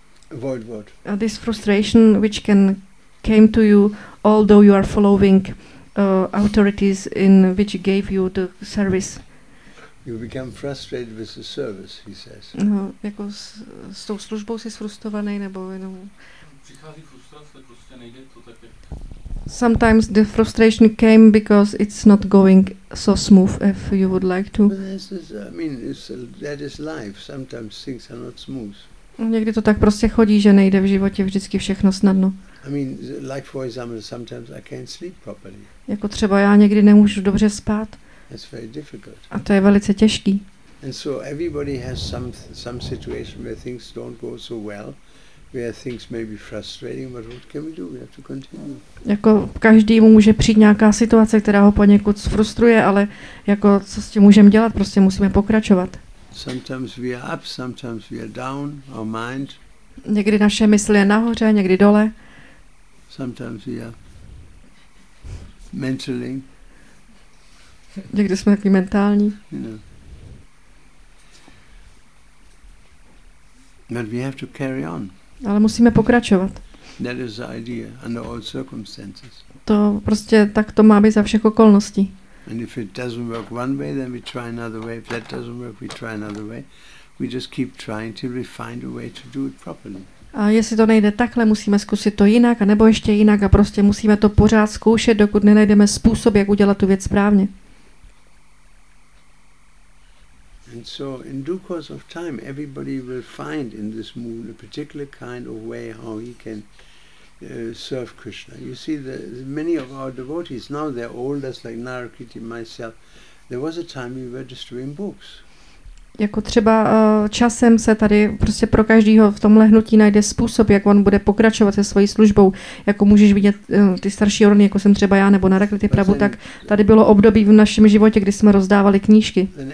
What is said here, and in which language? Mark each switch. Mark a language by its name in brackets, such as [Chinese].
[English] Avoid what? This frustration which can came to you, although you are following authorities in which gave you the service. You become frustrated with the service, he says. [Czech] No, jako s tou službou jsi frustrovaný nebo jenom... Přichází frustrace, prostě nejde to tak, jak... [English] Sometimes the frustration came because it's not going so smooth if you would like to. But this is, I mean, it's, that is life. Sometimes things are not smooth. [Czech] Někdy to tak prostě chodí, že nejde v životě vždycky všechno snadno. [English] I mean, like for example, sometimes I can't sleep properly. [Czech] Jako třeba já někdy nemůžu dobře spát. [English] It's very difficult. [Czech] A to je velice těžký. [English] And so everybody has some situation where things don't go so well, where things may be frustrating, but what can we do? We have to continue. [Czech] Jako každý mu může přijít nějaká situace, která ho poněkud frustruje, ale jako co s tím můžeme dělat? Prostě musíme pokračovat. [English] Sometimes we are up, sometimes we are down, our mind. [Czech] Někdy naše mysl je nahoře, někdy dole. [English] Sometimes we are mentally. [Czech] Někdy jsme taky mentální. [English] You know. But we have to carry on. [Czech] Ale musíme pokračovat. [English] That is the idea, under all circumstances. [Czech] To prostě tak to má být za všech okolností. [English] And if it doesn't work one way, then we try another way. If that doesn't work, we try another way. We just keep trying till we find a way to do it properly. [Czech] A jestli to nejde takhle, musíme zkusit to jinak, a nebo ještě jinak, a prostě musíme to pořád zkoušet, dokud nenajdeme způsob, jak udělat tu věc správně. [English] And so in due course of time everybody will find in this mood a particular kind of way how he can serve Krishna. You see the many of our devotees now they're older, like Narakriti, myself. There was a time we were just reading books. [Czech] Jako třeba časem se tady prostě pro každého v tomhle hnutí najde způsob, jak on bude pokračovat se svojí službou. Jako můžeš vidět ty starší rony, jako jsem třeba já, nebo Narakriti Prabhu, tak tady bylo období v našem životě, kdy jsme rozdávali knížky.